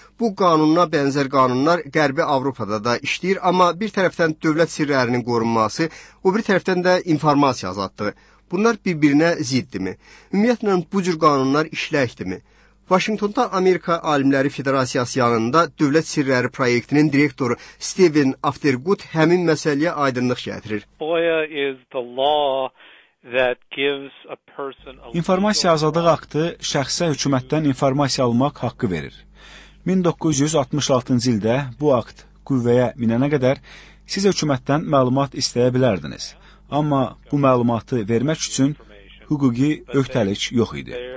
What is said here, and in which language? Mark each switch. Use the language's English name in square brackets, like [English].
[Azerbaijani] Bu qanuna bənzər qanunlar Qərbi Avropada da işləyir, amma bir tərəfdən dövlət sirrlərinin qorunması, o bir tərəfdən də informasiya azadlığı. Bunlar bir-birinə ziddimi? Ümumiyyətlə, bu cür qanunlar işləkdimi? Washingtonda Amerika Alimləri Federasiyası yanında Dövlət Sirləri Proyektinin direktoru Steven Aftergood həmin məsələyə aydınlıq gətirir. [English] FOIA is the law that gives a person a [Azerbaijani] İnformasiya azadlığı aktı şəxsə hökumətdən informasiya almaq haqqı verir. 1966-cı ildə bu akt qüvvəyə minənə qədər siz hökumətdən məlumat istəyə bilərdiniz. Amma bu məlumatı vermək üçün hüquqi öhdəlik yox idi.